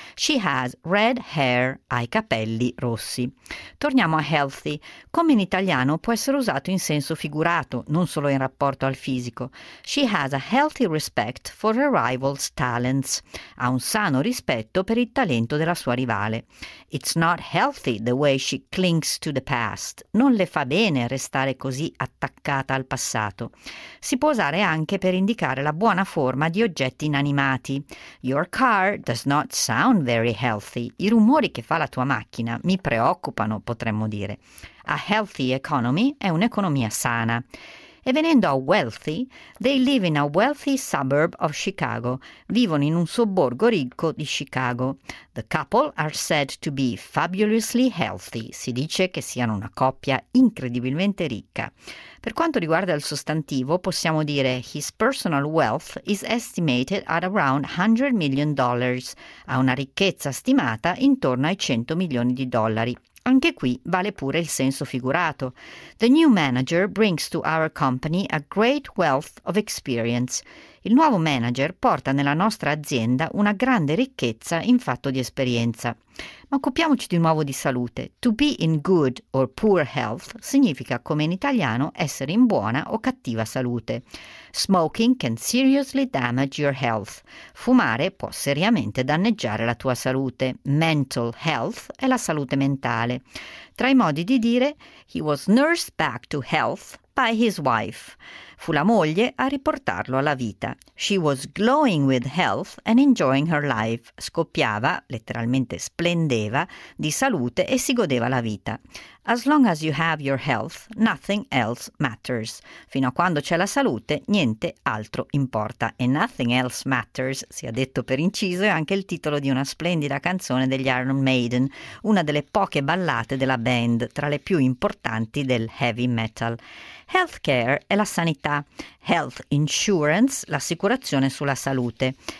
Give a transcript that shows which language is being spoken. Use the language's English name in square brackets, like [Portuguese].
[English] She has red hair, [Italian] ha i capelli rossi. Torniamo a healthy. Come in italiano può essere usato in senso figurato, non solo in rapporto al fisico. [English] She has a healthy respect for her rival's talents. [Italian] Ha un sano rispetto per il talento della sua rivale. [English] It's not healthy the way she clings to the past. [Italian] Non le fa bene restare così attaccata al passato. Si può usare anche per indicare la buona forma di oggetti inanimati. [English] Your car does not sound very healthy. [Italian] I rumori che fa la tua macchina mi preoccupano, potremmo dire. [English] A healthy economy [Italian] è un'economia sana. E venendo a wealthy, [English] they live in a wealthy suburb of Chicago. [Italian] Vivono in un sobborgo ricco di Chicago. [English] The couple are said to be fabulously healthy. [Italian] Si dice che siano una coppia incredibilmente ricca. Per quanto riguarda il sostantivo, possiamo dire [English] his personal wealth is estimated at around $100 million. [Italian] Ha una ricchezza stimata intorno ai 100 milioni di dollari. Anche qui vale pure il senso figurato. [English] The new manager brings to our company a great wealth of experience. [Italian] Il nuovo manager porta nella nostra azienda una grande ricchezza in fatto di esperienza. Ma occupiamoci di nuovo di salute. [English] To be in good or poor health [Italian] significa, come in italiano, essere in buona o cattiva salute. [English] Smoking can seriously damage your health. [Italian] Fumare può seriamente danneggiare la tua salute. [English] Mental health [Italian] è la salute mentale. Tra i modi di dire, [English] he was nursed back to health by his wife. [Italian] Fu la moglie a riportarlo alla vita. [English] She was glowing with health and enjoying her life. [Italian] Scoppiava, letteralmente splendeva, di salute e si godeva la vita. [English] As long as you have your health, nothing else matters. [Italian] Fino a quando c'è la salute, niente altro importa. E [English] nothing else matters, [Italian] sia detto per inciso, è anche il titolo di una splendida canzone degli Iron Maiden, una delle poche ballate della band, tra le più importanti del heavy metal. Healthcare è la sanità, health insurance, l'assicurazione sulla salute.